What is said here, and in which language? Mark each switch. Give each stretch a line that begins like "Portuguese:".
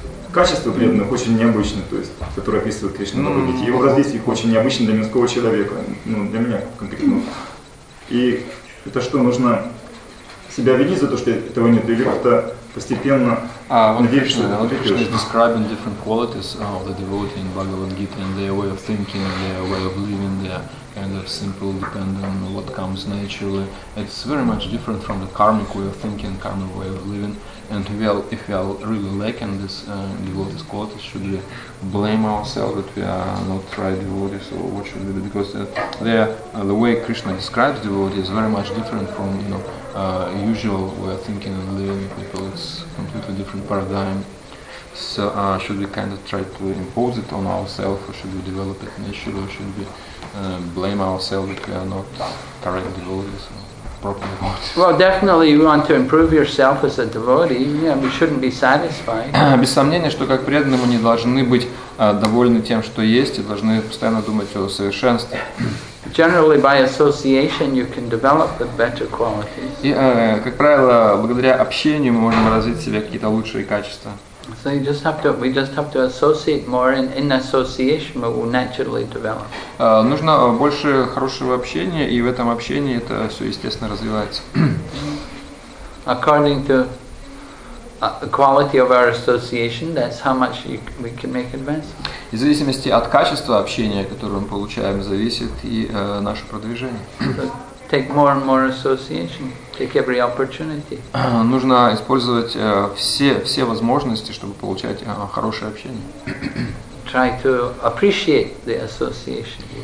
Russian: Качество преданных очень необычное, то есть, которое описывает Кришна на Бхагавад-гите. Его воздействие очень необычно для мирского человека, для меня конкретно. И это что, нужно себя винить за то, что этого нет, или как-то постепенно надеяться, что это придёшь?
English: Кришна describing different qualities of the devotee in Bhagavad-gita, and their way of thinking, their way of living, their kind of simple, depending on what comes naturally. It's very much different from the karmic way of thinking, karmic way of living. And if we are really lacking this devotee's qualities, should we blame ourselves that we are not right devotees, or what should we do? Because the way Krishna describes devotees is very much different from usual way of thinking and living people. It's completely different paradigm. So should we kind of try to impose it on ourselves, or should we develop it naturally, or should we blame ourselves that we are not correct devotees? Well, definitely you want to improve yourself as a devotee. Yeah, we shouldn't be satisfied.
Russian: Без сомнения, что как преданные мы не должны быть довольны тем, что есть, и должны постоянно думать о совершенстве.
English: generally by association you can develop the better qualities.
Russian: И, как правило, благодаря общению мы можем развить в себе какие-то лучшие качества.
English: So you just have to, we just have to associate more, and in association we will naturally develop.
Russian: Нужно больше хорошего общения, и в этом общении это все естественно развивается.
English: According to the quality of our association, that's how much we can make advance.
Russian: В зависимости от качества общения, которое мы получаем, зависит и наше продвижение.
English: Take more and more association. Take every opportunity.
Russian: Нужно использовать все возможности, чтобы получать хорошее общение.
English: Try to appreciate the association.